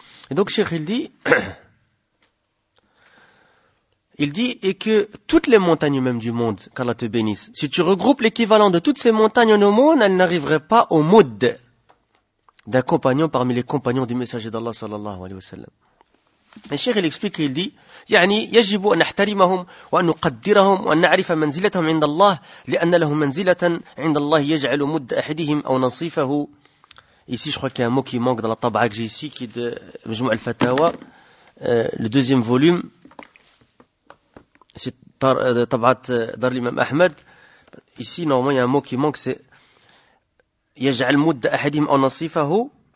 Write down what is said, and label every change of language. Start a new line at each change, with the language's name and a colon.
French: Et donc, Cheikh, il dit, et que toutes les montagnes même du monde, qu'Allah te bénisse, si tu regroupes l'équivalent de toutes ces montagnes en aumône, elles n'arriveraient pas au mud d'un compagnon parmi les compagnons du messager d'Allah sallallahu alayhi wa sallam. Et Cheikh, il explique, il dit,
Arabic: يعني يجب أن نحترمهم وأن نقدرهم وأن نعرف منزلتهم عند الله لأن لهم منزلة عند الله يجعل مد أحدهم أو نصيفه.
French: Ici, je crois qu'il y a un mot qui manque dans la tabaka que j'ai ici, qui est de Majmou' al-Fatawa, le deuxième volume. C'est de tabat Dar l'Imam Ahmed. Ici, normalement, il y a un mot qui manque, c'est
Arabic: Yaj'al mud ahadim au nasifahu.